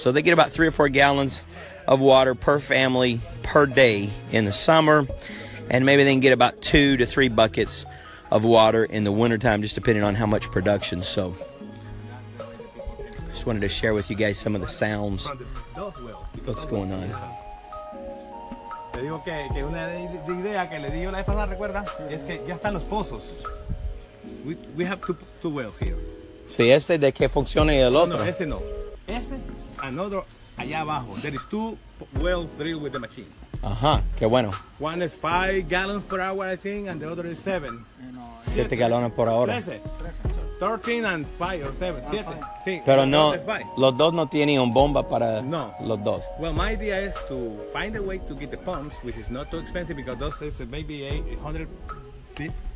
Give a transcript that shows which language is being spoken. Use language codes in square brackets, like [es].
[en] So they get about 3 or 4 gallons of water per family per day in the summer, and maybe they can get about 2 to 3 buckets of water in the wintertime, just depending on how much production. So just wanted to share with you guys some of the sounds, what's going on. [es] Te digo que una de idea que le di yo la vez pasada, recuerda, es que ya están los pozos. [en] We have two wells here. [es] Sí, este de que funcione el otro. No, ese no. Ese, [en] another, [es] allá abajo. [en] There is 2 wells drilled with the machine. [es] Ajá, qué bueno. [en] One is 5 gallons per hour, I think, and the other is 7. [es] 7 galones por hora. [en] 13. 13 and 5 or 7, 7. Sí. [es] Pero no, los dos no tienen bomba para no. Los dos. [en] Well, my idea is to find a way to get the pumps, which is not too expensive because those is maybe 800 feet.